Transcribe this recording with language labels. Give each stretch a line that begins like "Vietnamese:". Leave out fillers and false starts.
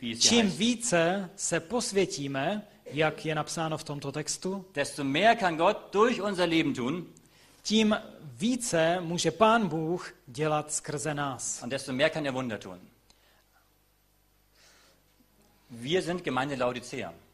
Czech: čím více se posvětíme, jak je napsáno v tomto textu,
German: desto mehr kann Gott durch unser Leben tun,
Czech: tím více může Pán Bůh dělat skrze nás.
German: Und desto mehr kann Wunder tun. Wir sind Gemeinde Laodicea.